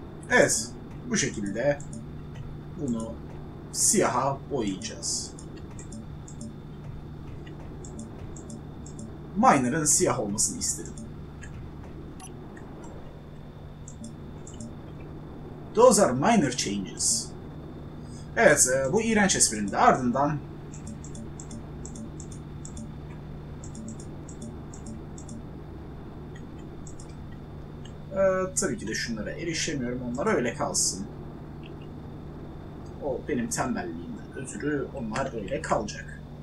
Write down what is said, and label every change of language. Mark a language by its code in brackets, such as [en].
[tr] Evet. Bu şekilde bunu siyaha boyayacağız. Miner'ın siyah olmasını istedim. [en] Those are minor changes. [tr] Evet, bu iğrenç esprinin de ardından tabii ki de şunlara erişemiyorum. Onlar öyle kalsın. O benim tembelliğimden ötürü onlar öyle kalacak.